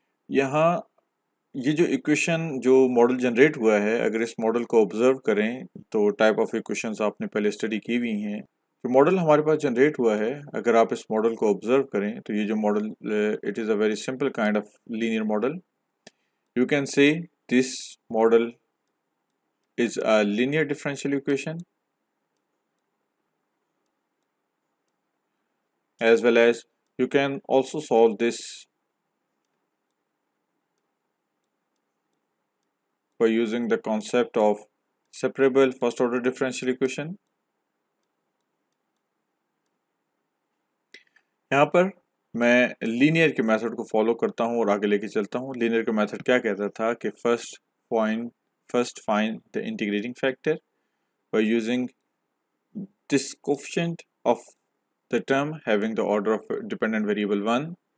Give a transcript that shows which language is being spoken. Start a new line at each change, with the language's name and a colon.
Hindi: यहाँ ये जो इक्वेशन जो मॉडल जनरेट हुआ है, अगर इस मॉडल को ऑब्जर्व करें तो टाइप ऑफ इक्वेशंस आपने पहले स्टडी की हुई हैं. जो मॉडल हमारे पास जनरेट हुआ है, अगर आप इस मॉडल को ऑब्जर्व करें तो ये जो model,
English: It is a very simple kind of linear model. You can say this model is a linear differential equation as well as you can also solve this by using the concept of separable first order differential equation.
Hindi: Yahan par मैं linear के method को follow करता हूं और आगे लेके चलता हूं. लीनियर का मेथड क्या कहता था कि
English: First find the integrating factor by using this coefficient of the term having the order of dependent variable one.